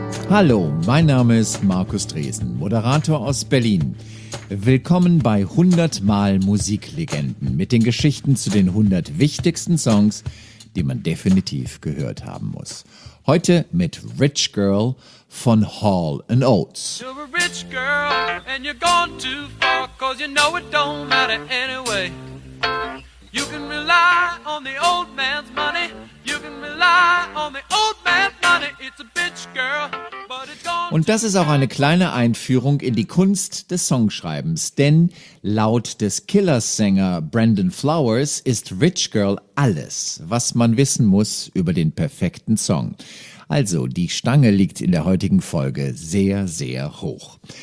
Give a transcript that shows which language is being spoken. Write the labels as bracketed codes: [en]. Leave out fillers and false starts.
[de] Hallo, mein Name ist Markus Dresen, Moderator aus Berlin. Willkommen bei 100 Mal Musiklegenden mit den Geschichten zu den 100 wichtigsten Songs, die man definitiv gehört haben muss. Heute mit Rich Girl von Hall & Oates. [en] You're a rich girl and you're gone too far, 'cause you know it don't matter anyway. You can rely on the old man's money. You can rely on the old man's money. It's a bitch girl. [de] Und das ist auch eine kleine Einführung in die Kunst des Songschreibens, denn laut des Killers-Sänger Brandon Flowers ist Rich Girl alles, was man wissen muss über den perfekten Song. Also, die Stange liegt in der heutigen Folge sehr, sehr hoch.